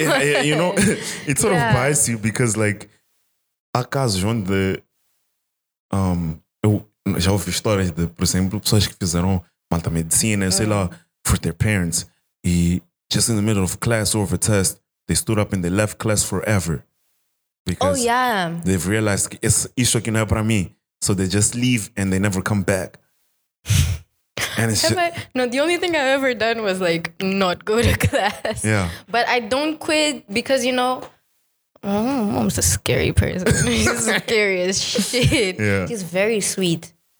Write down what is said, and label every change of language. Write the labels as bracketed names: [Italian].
[English] You know, it sort of bites you because, like, [Portuguese] acaso onde. Eu já ouvi histórias de, por exemplo, pessoas que fizeram malta medicina, sei lá, [English] for their parents. E just in the middle of class or of a test, they stood up and they left class forever. Because they've realized [Portuguese] que isso aqui não é para mim. [English] So they just leave and they never come back. And it's the only thing I've ever done was like not go to class. Yeah. But I don't quit because, you know, mom's a scary person. She's scary as shit. Yeah. She's very sweet.